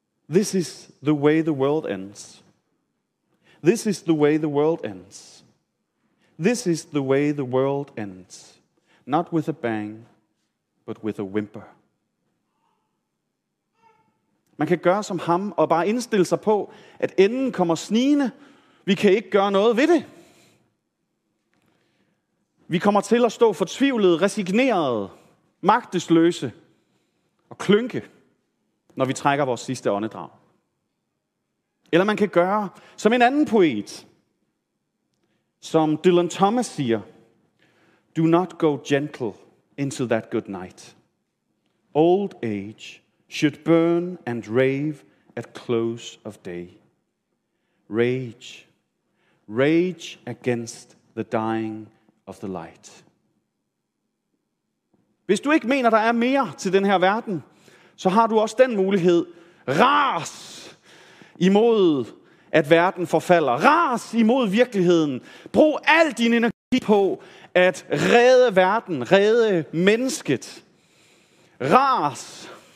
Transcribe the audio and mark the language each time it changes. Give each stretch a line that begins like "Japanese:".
English: This is the way the world ends. This is the way the world ends. This is the way the world ends. Not with a bang, but with a whimper.
Danish: Man kan gøre som ham og bare indstille sig på, at enden kommer snigende. Vi kan ikke gøre noget ved det. Vi kommer til at stå fortvivlede, resignerede, magtesløse og klynke, når vi trækker vores sidste åndedrag. Eller man kan gøre som en anden poet, som Dylan Thomas siger,
English: do not go gentle into that good night. Old age should burn and rave at close of day. Rage, rage against the dying of the light.
Danish: Hvis du ikke mener, der er mere til den her verden, så har du også den mulighed. Ras imod at verden forfalder. Ras imod virkeligheden. Brug al din energi på at redde verden, redde mennesket. Ras.